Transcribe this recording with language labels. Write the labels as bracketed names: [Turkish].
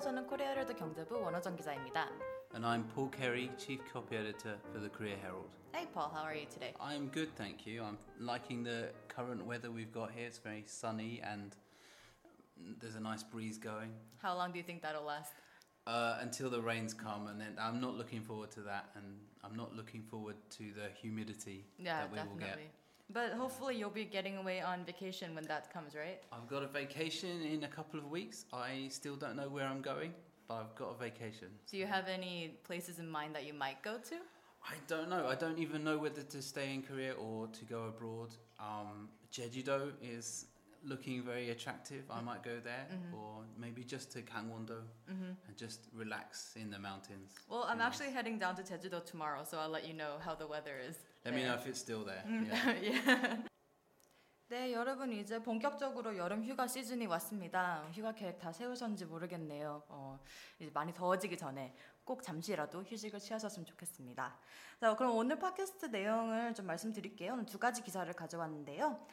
[Korean] 저는 코리아 헤럴드 경제부 원호정 기자입니다. [English] And I'm Paul Carey, chief copy editor for the Korea Herald. Hey Paul, how are you today? I'm good, thank you. I'm liking the current weather we've got here. It's very sunny and there's a nice breeze going. How long do you think that'll last? Until the rains come, and then I'm not looking forward to that, and I'm not looking forward to the humidity Will get. But hopefully you'll be getting away on vacation when that comes, right? I've got a vacation in a couple of weeks. I still don't know where I'm going, but I've got a vacation. Do you have any places in mind that you might go to? I don't know. I don't even know whether to stay in Korea or to go abroad. Jeju-do is looking very attractive. I might go there, or maybe just to Gangwon-do and just relax in the mountains. Well, I'm actually heading down to Jeju-do tomorrow, so I'll let you know how the weather is. Let me know if it's still there. Yeah. [Korean] 네, 여러분 이제 본격적으로 여름 휴가 시즌이 왔습니다. 휴가 계획 다 세우셨는지 모르겠네요. 이제 많이 더워지기 전에 꼭 잠시라도 휴식을 취하셨으면 좋겠습니다. 자, 그럼 오늘 팟캐스트 내용을 좀 말씀드릴게요. 두 가지 기사를 가져왔는데요.